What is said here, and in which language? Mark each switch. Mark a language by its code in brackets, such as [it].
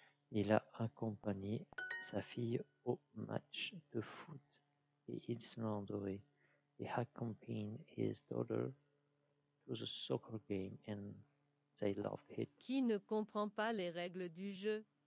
[fr] Il a accompagné sa fille au match de foot et il s'est endoré. [en] He accompanied his daughter to the soccer game and they loved it. [fr] Qui ne comprend pas les règles du jeu?